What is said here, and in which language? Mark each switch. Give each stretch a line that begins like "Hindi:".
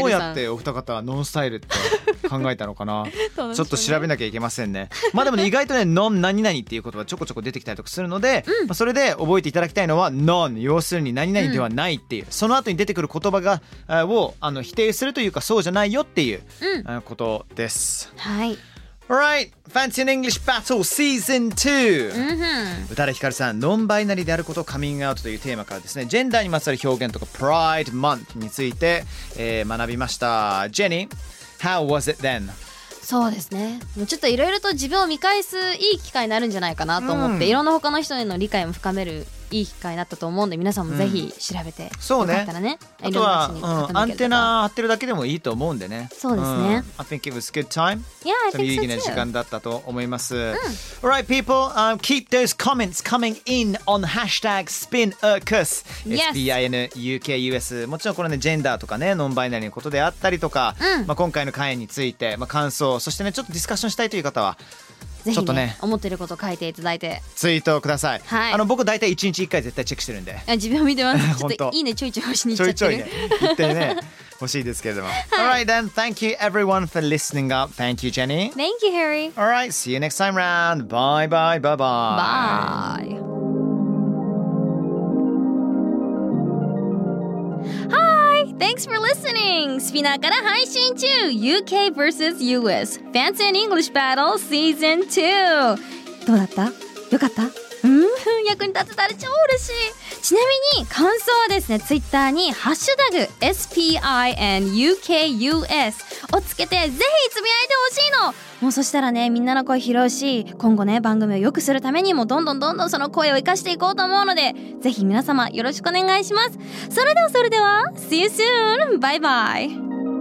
Japanese: どうやってお二方はノンスタイルって考えたのかなちょっと調べなきゃいけませんね。まあでも、ね、意外とね、ノン何々っていう言葉ちょこちょこ出てきたりとかするので、うん、まあ、それで覚えていただきたいのはノン、要するに何々ではないっていう、うん、その後に出てくる言葉が、を否定するというか、そうじゃないよっていう、うん、ことです。はい、
English: Alright! Fancy and English Battle Season 2!
Japanese: 宇多田ヒカルさん、ノンバイナリーであることをカミングアウトというテーマからですね、ジェンダーにまつわる表現とか Pride Month について、学びました。
English: Jenny, how was it then?
Japanese: そうですね。ちょっといろいろと自分を見返すいい機会になるんじゃないかなと思って、いろんな他の人への理解も深めるいい機会になったと思うんで、皆さんもぜひ調べて、うん、そうね、よかったらね、あとは、うん、アンテナ張ってるだけでもいいと思うんでね。そうですね、う
English: ん、I think it was good time. Yeah, I think so too.
Japanese: 有意義な時間だったと思います、うん、
English: Alright people、keep those comments coming in on hashtag SpinUkus、 yes. S-P-I-N-U-K-U-S。
Japanese: もちろんこれね、ジェンダーとかね、ノンバイナリーのことであったりとか、うん、まあ、今回の会について、まあ、感想、そしてね、ちょっとディスカッションしたいという方はぜひ、ね、ちょっとね、思ってること書いていただいてツイートください、はい、僕大体1日1回絶対チェックしてるんで、自分を見てますちょっといいねちょいちょい欲しいにいっちゃってる、ちょいちょいね言ってね欲しいですけれども、はい、
English: Alright then, thank you everyone for listening up. Thank you Jenny. Thank you Harry. Alright, see you next time round. Bye bye bye bye. Bye. Thanks for listening!
Japanese: スピナーから配信中 UK vs.
English: US Fancy and English Battle Season 2!
Japanese: どうだった？よかった？うん、役に立てたら超嬉しい。ちなみに感想はですね、ツイッターにハッシュタグ SPINUKUS をつけてぜひつぶやいてほしいの。もうそしたらね、みんなの声拾うし、今後ね、番組を良くするためにもどんどんどんどんその声を生かしていこうと思うので、ぜひ皆様よろしくお願いします。それではそれでは
English: See you soon!
Japanese: バイバイ。